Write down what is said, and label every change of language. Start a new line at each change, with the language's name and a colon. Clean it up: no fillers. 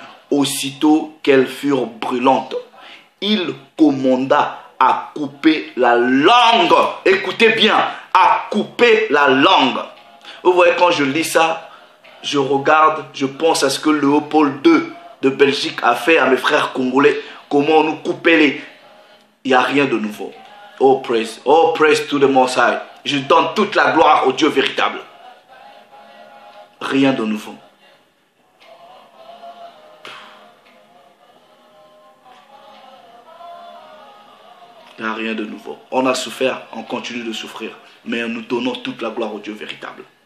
French: Aussitôt qu'elles furent brûlantes, il commanda à couper la langue. Écoutez bien, à couper la langue. Vous voyez, quand je lis ça, je regarde, je pense à ce que Léopold II de Belgique a fait à mes frères congolais, comment nous couper les. Il n'y a rien de nouveau.
English: Oh praise to the Most High.
French: Je donne toute la gloire au Dieu véritable. Rien de nouveau. Il n'y a rien de nouveau. On a souffert, on continue de souffrir. Mais nous donnons toute la gloire au Dieu véritable.